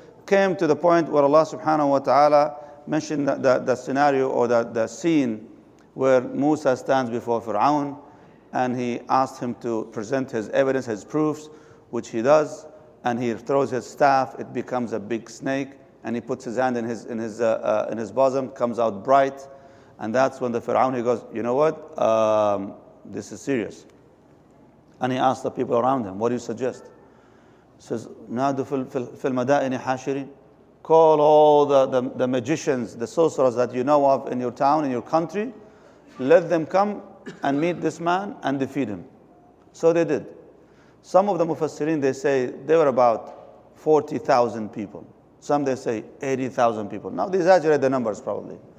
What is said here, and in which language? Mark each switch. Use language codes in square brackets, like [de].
[en] Came to the point where Allah subhanahu wa ta'ala mentioned the scene where Musa stands before Fir'aun and he asked him to present his evidence, his proofs, which he does, and he throws his staff, it becomes a big snake, and he puts his hand in his bosom, comes out bright, and that's when the Fir'aun, he goes, you know what, this is serious. And he asked the people around him, what do you suggest? [ar] Says, نادوا في المدائن حاشرين. [en] Call all the magicians, the sorcerers that you know of in your town, in your country. Let them come and meet this man and defeat him. So they did. Some of the Mufassirin, they say, there were about 40,000 people. Some, they say, 80,000 people. Now, they exaggerate the numbers probably.